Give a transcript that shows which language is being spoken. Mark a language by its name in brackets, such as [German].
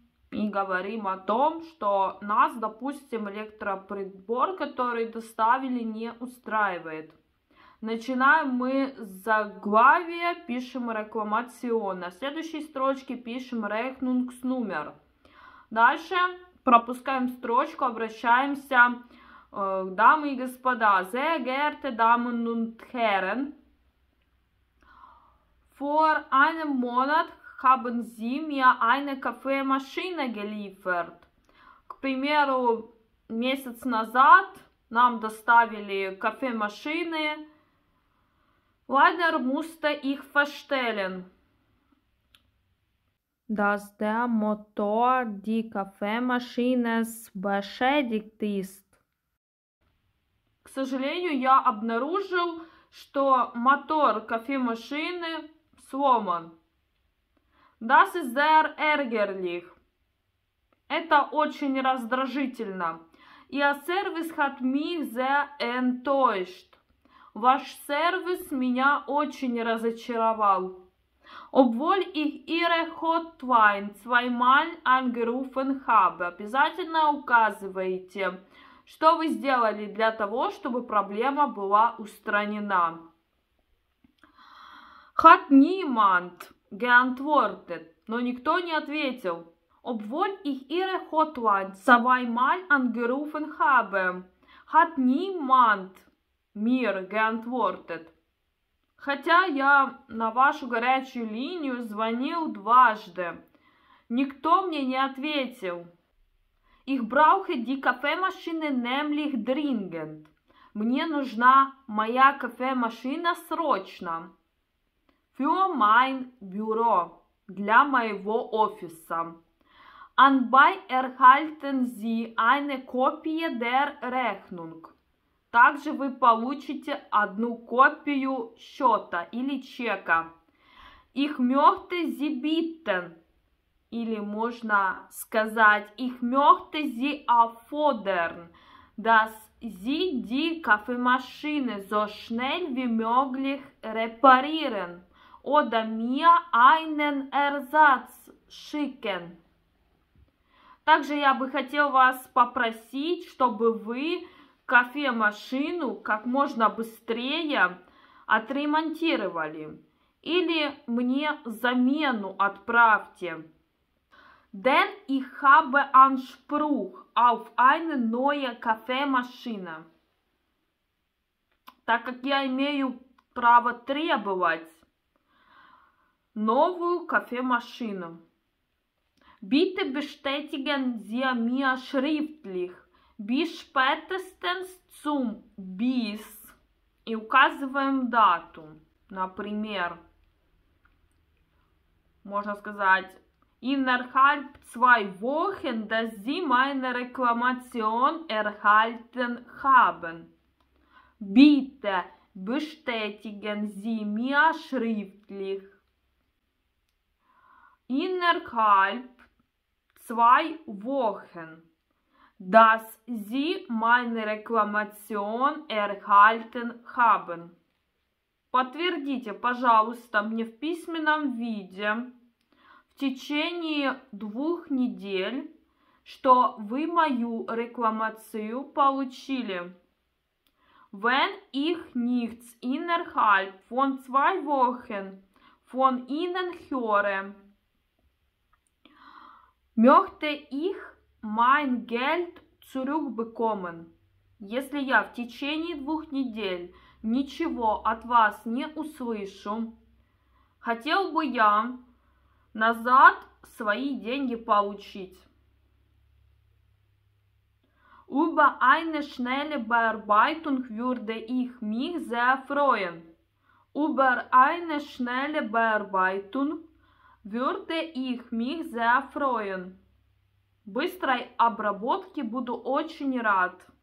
[Russian] И говорим о том, что нас, допустим, электроприбор, который доставили, не устраивает. Начинаем мы с заглавия, пишем рекламацион. На следующей строчке пишем рехнунгснумер. Дальше пропускаем строчку, обращаемся. Дамы и господа, [German] sehr geehrte Damen und Herren, vor einem Monat haben Sie mir eine Kaffeemaschine geliefert. [Russian] К примеру, месяц назад нам доставили кофемашины. [German] Leider musste ich verstellen. Dass der Motor die Kaffeemaschine beschädigt ist. [Russian] К сожалению, я обнаружил, что мотор кофемашины сломан. [German] Das ist sehr ärgerlich. [Russian] Это очень раздражительно. [German] Ihr Service hat mich sehr enttäuscht. [Russian] Ваш сервис меня очень разочаровал. [German] Obwohl ich Ihre Hotline zweimal angerufen habe. [Russian] Обязательно указывайте, что вы сделали для того, чтобы проблема была устранена. [German] Hat niemand geantwortet. [Russian] Но никто не ответил. [German] Obwohl ich ihre Hotline zweimal angerufen habe, hat niemand mir geantwortet. [Russian] Хотя я на вашу горячую линию звонил дважды. Никто мне не ответил. [German] Ich brauche die Kaffeemaschine nämlich dringend. [Russian] Мне нужна моя кофемашина срочно. [German] Für mein Büro. [Russian] Для моего офиса. [German] Anbei erhalten Sie eine Kopie der Rechnung. [Russian] Также вы получите одну копию счета или чека. [German] Ich möchte Sie bitten. [Russian] Или можно сказать, [German] ich möchte Sie auffordern, dass Sie die Kaffeemaschine so schnell wie möglich reparieren. Oder mir einen Ersatz schicken. [Russian] Также я бы хотел вас попросить, чтобы вы кофемашину как можно быстрее отремонтировали. Или мне замену отправьте. [German] Denn ich habe Anspruch auf eine neue Kaffeemaschine. [Russian] Так как я имею право требовать новую кофемашину. [German] Bitte bestätigen Sie mir schriftlich bis spätestens zum bis. [Russian] И указываем дату. Например, можно сказать [German] innerhalb zwei Wochen, dass Sie meine Reklamation erhalten haben. Bitte bestätigen Sie mir schriftlich innerhalb zwei Wochen, dass Sie meine Reklamation erhalten haben. [Russian] Подтвердите, пожалуйста, мне в письменном виде в течение двух недель, что вы мою рекламацию получили. [German] Wenn ich nichts innerhalb von zwei Wochen von Ihnen höre, möchte ich mein Geld zurückbekommen. [Russian] Если я в течение двух недель ничего от вас не услышу, хотел бы я назад свои деньги получить. [German] Über eine schnelle Bearbeitung würde ich mich sehr freuen. Über eine schnelle Bearbeitung würde ich mich sehr freuen. [Russian] Быстрой обработке буду очень рад.